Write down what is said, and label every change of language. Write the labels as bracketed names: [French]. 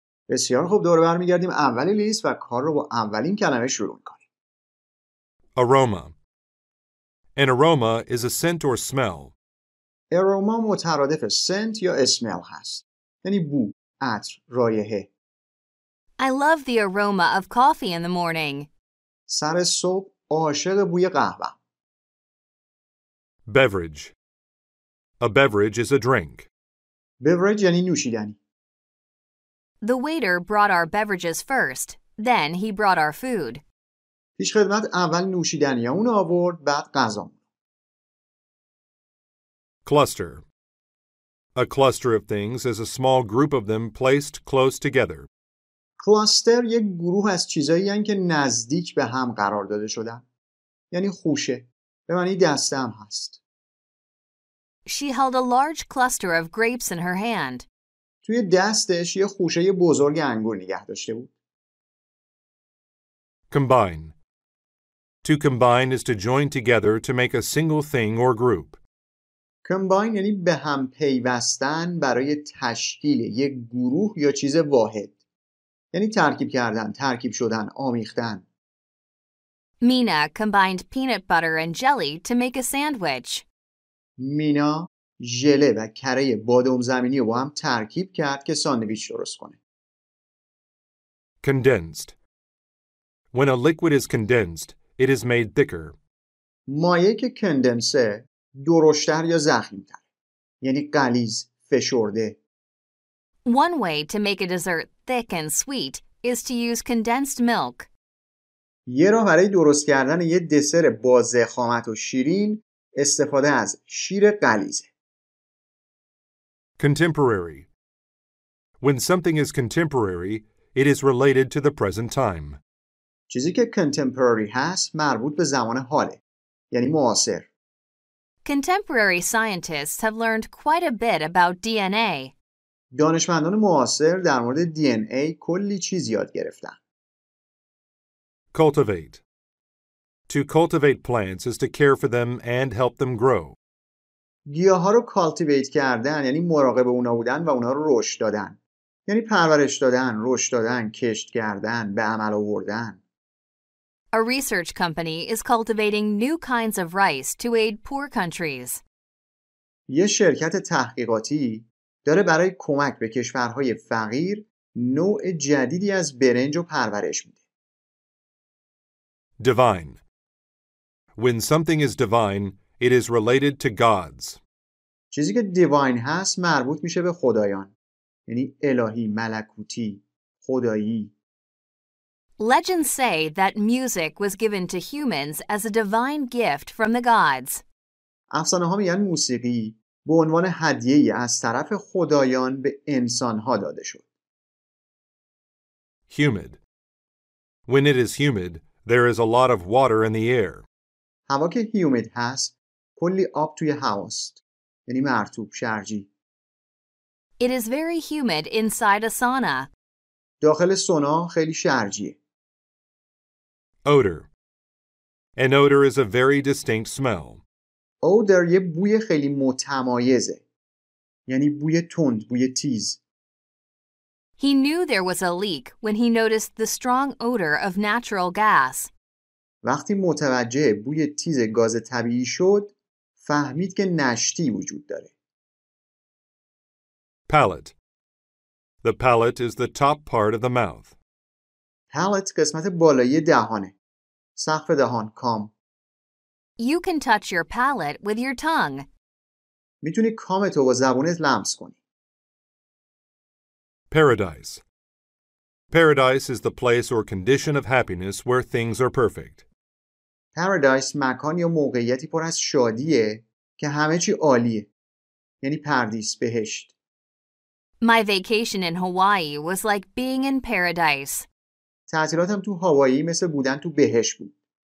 [Persian] بسیار خوب، دوباره برمیگردیم اول لیست و کار رو با اولین کلمه شروع می‌کنیم. [English] Aroma. An aroma is a scent or smell. [Persian] اروما مترادف سنت یا اسمل هست، یعنی بو، عطر، رایحه. [English] I love the aroma of coffee in the morning. [Persian] سر صبح عاشق بوی قهوه. [English] Beverage. A beverage is a drink. [Persian] Beverage یعنی نوشیدنی. [English] The waiter brought our beverages first, then he brought our food. [Persian] پیش خدمت اول نوشیدنی اون آورد، بعد غذا. [English] Cluster. A cluster of things is a small group of them placed close together. [Persian] Cluster یک گروه از چیزایی هستند که نزدیک به هم قرار داده شدن. یعنی خوشه. به معنی دسته هم هست. [English] She held a large cluster of grapes in her hand. [Persian] توی دستش یه خوشه بزرگ انگور نگه داشته بود. [English] Combine. To combine is to join together to make a single thing or group. [Persian] کمباین یعنی به هم پیوستن برای تشکیل یک گروه یا چیز واحد. یعنی ترکیب کردن، ترکیب شدن، آمیختن. [English] مینا combined peanut butter and jelly to make a sandwich. [Persian] مینا ژله و کره بادام زمینی رو با هم ترکیب کرد که ساندویچ درست کنه. [English] Condensed. When a liquid is condensed, it is made thicker. [Persian] مایع که کندنسه درشتر یا زخیم‌تر، یعنی غلیظ، فشرده. [English] One way to make a dessert thick and sweet is to use condensed milk. [Persian] یه راه برای درست کردن یه دسر با ضخامت و شیرین استفاده از شیر غلیظه. [English] Contemporary. When something is contemporary, it is related to the present time. [Persian] چیزی که contemporary هست مربوط به زمان حاله، یعنی معاصر. [English] Contemporary scientists have learned quite a bit about DNA. [Persian] دانشمندان معاصر در مورد DNA کلی چیز یاد گرفتن. [English] Cultivate. To cultivate plants is to care for them and help them grow. [Persian] گیاه‌ها رو کالتیویت کردن یعنی مراقب اونا بودن و اونا رو رشد دادن. یعنی پرورش دادن، رشد دادن، کشت کردن، به عمل آوردن. [English] A research company is cultivating new kinds of rice to aid poor countries. [Persian] یه شرکت تحقیقاتی داره برای کمک به کشورهای فقیر نوع جدیدی از برنج رو پرورش میده. [English] Divine. When something is divine, it is related to gods. [Persian] چیزی که divine هست مربوط میشه به خدایان. یعنی الهی، ملکوتی، خدایی. [English] Legends say that music was given to humans as a divine gift from the gods. [Persian] افسانه‌ها میگن موسیقی به عنوان هدیه‌ای از طرف خدایان به انسان‌ها داده شد. [English] Humid. When it is humid, there is a lot of water in the air. [Persian] هوا که humid هست، کلی آب توی هواست. یعنی مرطوب، شرجی. [English] It is very humid inside a sauna. [Persian] داخل سونا خیلی شرجیه. [English] Odor. An odor is a very distinct smell. [Persian] Odor یه بوی خیلی متمایزه. یعنی بوی تند، بوی تیز. [English] He knew there was a leak when he noticed the strong odor of natural gas. [Persian] وقتی متوجه بوی تیز گاز طبیعی شد، فهمید که نشتی وجود داره. [English] Palate. The palate is the top part of the mouth. [Persian] Palate قسمت بالایی دهانه. سقف دهان، کام. [English] You can touch your palate with your tongue. [Persian] میتونی کامت رو با زبونت لمس کنی. [English] Paradise. Paradise is the place or condition of happiness where things are perfect. [Persian] Paradise مکان یا موقعیتی پر از شادیه که همه چی عالیه. یعنی پردیس، بهشت. [English] My vacation in Hawaii was like being in paradise. [Persian] تعطیلاتم تو هاوایی مثل بودن تو بهشت بود.